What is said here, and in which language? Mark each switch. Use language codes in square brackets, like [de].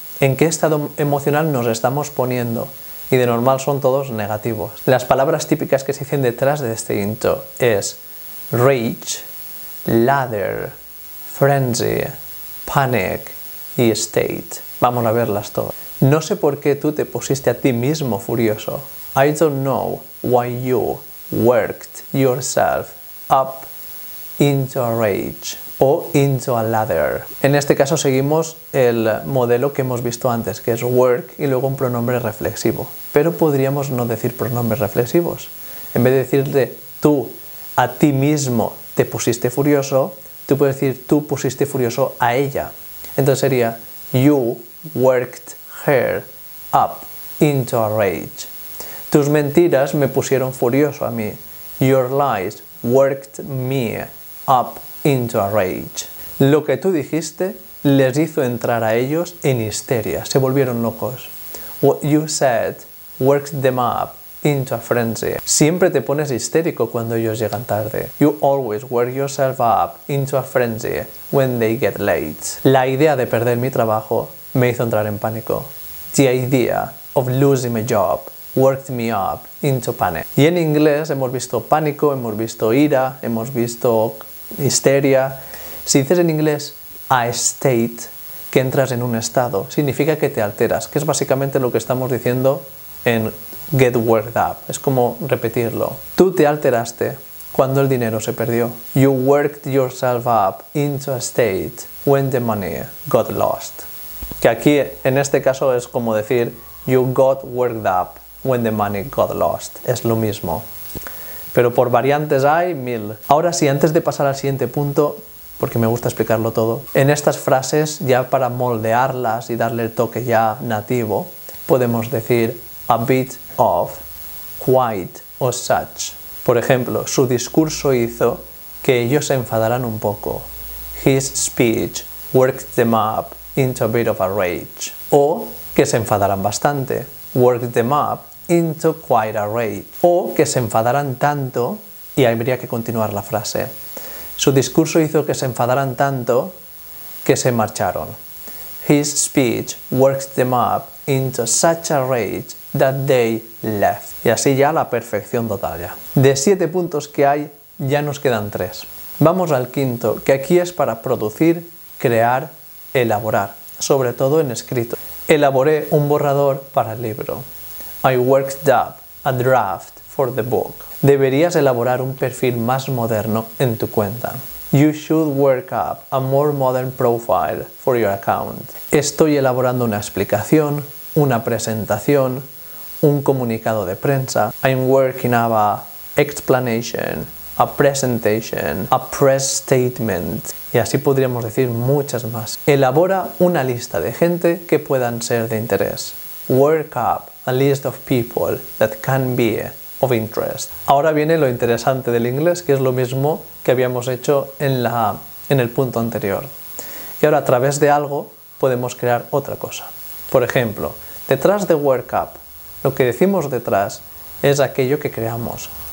[es] ¿En qué estado emocional nos estamos poniendo? Y de normal son todos negativos. Las palabras típicas que se dicen detrás de este into es rage, lather, frenzy, panic y state. Vamos a verlas todas. No sé por qué tú te pusiste a ti mismo furioso. [en] I don't know why you worked yourself up into a rage o into a lather. [es] En este caso seguimos el modelo que hemos visto antes, que es work y luego un pronombre reflexivo. Pero podríamos no decir pronombres reflexivos. En vez de decirte tú a ti mismo te pusiste furioso, tú puedes decir tú pusiste furioso a ella. Entonces sería [en] you worked her up into a rage. [es] Tus mentiras me pusieron furioso a mí. [en] Your lies worked me up into a rage. [es] Lo que tú dijiste les hizo entrar a ellos en histeria. Se volvieron locos. [en] What you said works them up into a frenzy. [es] Siempre te pones histérico cuando ellos llegan tarde. [en] You always work yourself up into a frenzy when they get late. [es] La idea de perder mi trabajo me hizo entrar en pánico. [en] The idea of losing my job worked me up into panic. [es] Y en inglés hemos visto pánico, hemos visto ira, hemos visto histeria. Si dices en inglés a state, que entras en un estado, significa que te alteras, que es básicamente lo que estamos diciendo en get worked up. Es como repetirlo. Tú te alteraste cuando el dinero se perdió. [en] You worked yourself up into a state when the money got lost. [es] Que aquí, en este caso, es como decir [en] you got worked up when the money got lost. [es] Es lo mismo. Pero por variantes hay mil. Ahora sí, antes de pasar al siguiente punto, porque me gusta explicarlo todo, en estas frases, ya para moldearlas y darle el toque ya nativo, podemos decir a bit of, quite o such. Por ejemplo, su discurso hizo que ellos se enfadaran un poco. [en] His speech worked them up into a bit of a rage. [es] O que se enfadaran bastante. [en] Worked them up into quite a rage. [es] O que se enfadaran tanto, y ahí habría que continuar la frase. Su discurso hizo que se enfadaran tanto que se marcharon. His speech worked them up into such a rage that they left. Y así ya la perfección total ya. De 7 puntos que hay, ya nos quedan 3. Vamos al quinto, que aquí es para producir, crear, elaborar, sobre todo en escrito. Elaboré un borrador para el libro. [en] I worked up a draft for the book. [es] Deberías elaborar un perfil más moderno en tu cuenta. [en] You should work up a more modern profile for your account. [es] Estoy elaborando una explicación, una presentación, un comunicado de prensa. [en] I'm working up a explanation, a presentation, a press statement. [es] Y así podríamos decir muchas más. Elabora una lista de gente que puedan ser de interés. [en] Work up a list of people that can be of interest. [es] Ahora viene lo interesante del inglés, que es lo mismo que habíamos hecho en el punto anterior. Y ahora, a través de algo, podemos crear otra cosa. Por ejemplo, detrás de work up, lo que decimos detrás es aquello que creamos.